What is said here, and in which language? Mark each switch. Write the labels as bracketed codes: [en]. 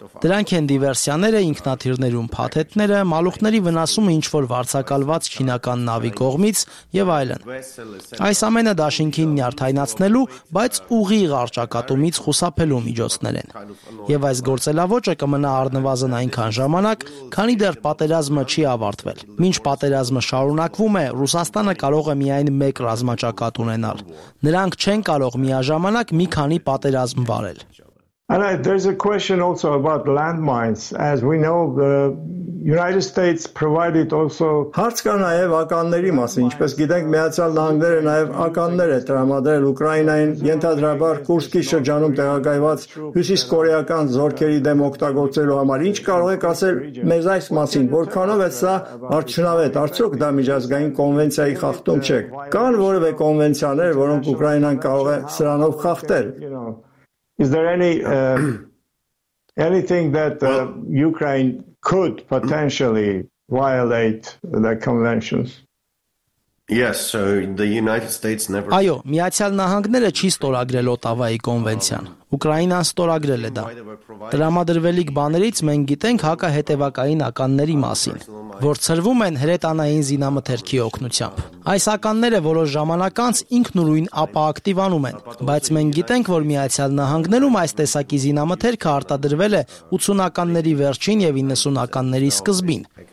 [hy] Դրանք են դիվերսիաները, ինքնաթիռներում փաթեթները, մալուխների վնասումը ինչ-որ վարձակալված չինական նավի կողմից և այլն։ Այս ամենը Դաշինքին նյարդայնացնելու, բայց ուղիղ արճակատումից խուսափելու միջոցներ են։ Եվ այս գործելավոճը կմնա առնվազն այնքան ժամանակ, քանի դեռ պատերազմը չի ավարտվել։ Մինչ պատերազմը շարունակվում է, Ռուսաստանը կարող է միայն մեկ ռազմաճակատ ճակատ ունենալ։ Նրանք չեն կարող միաժամանակ մի քանի պատերազմ վարել։ [en] And there's a question also about landmines. As we know, the United States provided also [hy] Հարց կա նաև ականների մասին, ինչպես գիտենք, Միացյալ Նահանգները նաև ականներ է տրամադրել Ուկրաինային ենթադրաբար Կուրսկի շրջանում տեղակայված հյուսիսկորեական զորքերի դեմ օգտագործելու համար։ Ինչ կարող եք ասել մեզ այս մասին, որքանով է սա արդյունավետ, արդյոք դա միջազգային կոնվենցիայի խախտում չէ։ Կան որևէ կոնվենցիաներ, որոնք Ուկրաինան կարող է սրանով խախտել։ [en] Is there any anything that Ukraine could potentially violate the conventions? Yes, so the United States never [hy] Այո, Միացյալ Նահանգները չի ստորագրել Օտավայի կոնվենցիան։ Ուկրաինան ստորագրել է դա։ Տրամադրվելիք բաներից մենք գիտենք հակահետևակային ականների մասին, որ ցրվում են հրետանային զինամթերքի օգնությամբ։ Այս ականները որոշ ժամանակ անց ինքնուրույն ապաակտիվանում են, բայց մենք գիտենք, որ Միացյալ Նահանգներում այս տեսակի զինամթերքը արտադրվել է 80-ականների վերջին եւ 90-ականների սկզբին։